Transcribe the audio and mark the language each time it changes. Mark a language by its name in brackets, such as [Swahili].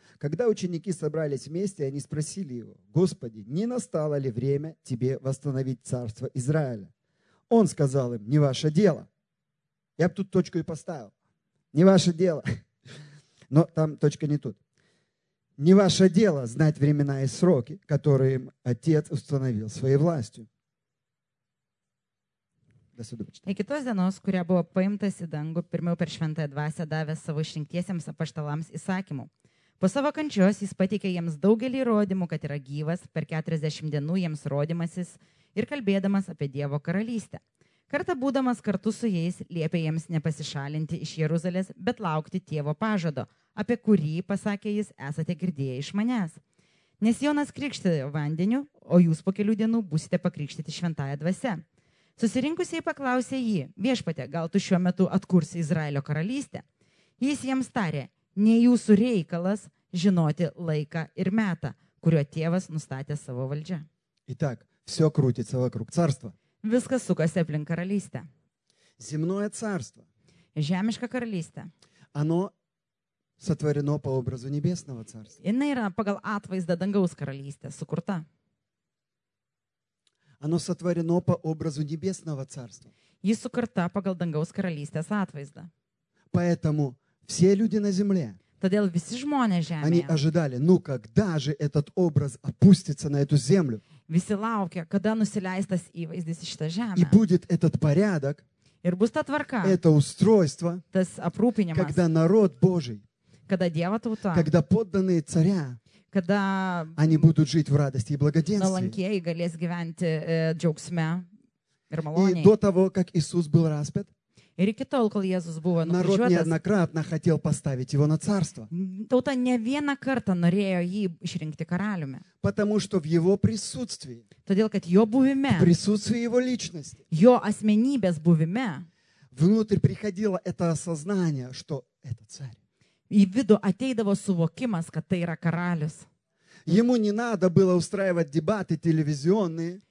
[Russian] Когда ученики собрались вместе, они спросили его, «Господи, не настало ли время тебе восстановить царство Израиля?» Он сказал им, «Не ваше дело». Я бы тут точку и поставил. «Не ваше дело». Но там точка не тут. «Не ваше дело знать времена и сроки, которые Отец установил своей властью». [Lithuanian] Iki tos dienos, kuria buvo paimtas į dangų, pirmiau per šventąją dvasę davęs savo išrinktiesiems apaštalams įsakymų. Po savo kančios jis pateikė jiems daugelį įrodymų, kad yra gyvas, per 40 dienų jiems rodymasis ir kalbėdamas apie Dievo karalystę. Kartą būdamas kartu su jais, liepė jiems nepasišalinti iš Jeruzalės, bet laukti tėvo pažado, apie kurį, pasakė jis, esate girdėję iš manęs. Nes Jonas krikštėjo vandeniu, o jūs po kelių dienų būsite pakrikštyti šventąją dvasę. Susirinkusiai paklausė jį, viešpatė, gal tu šiuo metu atkursi Izraelio karalystę? Jis jiems tarė, ne jūsų reikalas žinoti laiką ir metą, kurio tėvas nustatė savo valdžią. [Russian] Итак, все крутится вокруг царства. [Lithuanian] Viskas sukasi aplink karalystę. [Russian] Земное царство. [Lithuanian] Žemiška karalystė. [Russian] Оно сотворено по образу небесного царства. [Lithuanian] Jinai yra pagal atvaizdą dangaus karalystės sukurta. [Russian] Оно сотворено по образу небесного царства. [Lithuanian] Jis sukurta pagal dangaus karalystės atvaizdą. [Russian] Поэтому все люди на земле. [Lithuanian] Todėl visi žmonės žemėje. [Russian] Они ожидали, ну когда же этот образ опустится на эту землю? [Lithuanian] Visi laukia, kada nusileis tas įvaizdis į šitą žemę. [Russian] И будет этот порядок. [Lithuanian] Ir bus ta tvarka. [Russian] Это устройство. [Lithuanian] Tas aprūpinimas. [Russian] Когда народ Божий. [Lithuanian] Kada Dievo tauta. [Russian] Когда подданные царя. [Lithuanian] Kada [Russian] они будут жить в радости и благоденствии. [Lithuanian] Nuolankieji galės gyventi džiaugsme. Ir [Russian] и до того, как Иисус был распят, [Lithuanian] ir iki tol, kol Jėzus buvo [Russian] народ неоднократно хотел поставить его на царство. [Lithuanian] Tauta не vieną kartą norėjo jį išrinkti karaliumi. [Russian] Потому что в его присутствии, [Lithuanian] todėl, kad jo buvime, [Russian] в присутствии его личности, [Lithuanian] jo asmenybės buvime, [Russian] внутрь приходило это осознание, что это царь. [Lithuanian] Į vidų ateidavo suvokimas, kad tai yra karalius. [Russian] Ему не надо было устраивать дебаты телевизионные.